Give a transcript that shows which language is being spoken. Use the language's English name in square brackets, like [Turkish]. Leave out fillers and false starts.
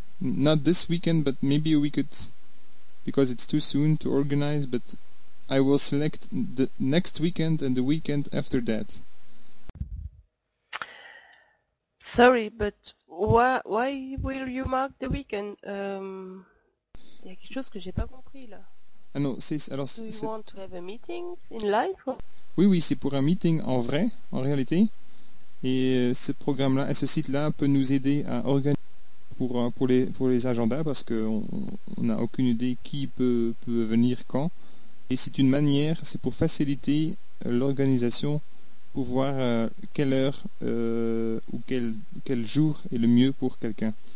[English] Not this weekend, but maybe we could, because it's too soon to organize, but I will select the next weekend and the weekend after that. Sorry, but why will you mark the weekend? [French] Il y a quelque chose que j'ai pas compris là. Ah non, c'est alors. [English] Do you want to have a meeting in life? [French] Oui, c'est pour un meeting en vrai, en réalité. Et ce programme-là, ce site-là peut nous aider à organiser pour les agendas parce qu'on n'a aucune idée qui peut venir quand. Et c'est une manière, c'est pour faciliter l'organisation, pour voir quelle heure ou quel jour est le mieux pour quelqu'un.